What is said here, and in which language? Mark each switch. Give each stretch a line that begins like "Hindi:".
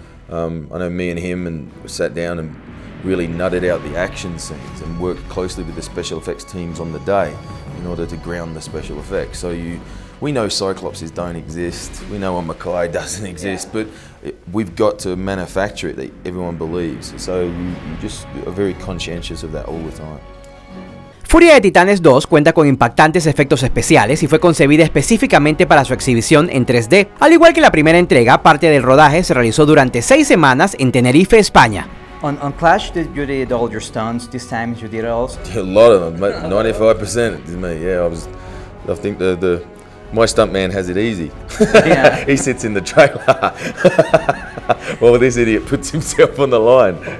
English: I know me and him and sat down and really nutted out the action scenes and worked closely with the special effects teams on the day in order to ground the special effects. We know Cyclopses don't exist, we know a Mackay doesn't exist, yeah. But we've got to manufacture it that everyone believes. So you just are very conscientious of that all the time.
Spanish: Furia de Titanes 2 cuenta con impactantes efectos especiales y fue concebida específicamente para su exhibición en 3D. Al igual que la primera entrega, parte del rodaje se realizó durante 6 semanas en Tenerife, España.
English: On Clash, you did all your stunts, this time you did it also? A lot of them, 95% is me, yeah. My stuntman has it easy. Yeah. He sits in the trailer. Well, this idiot puts himself on the line.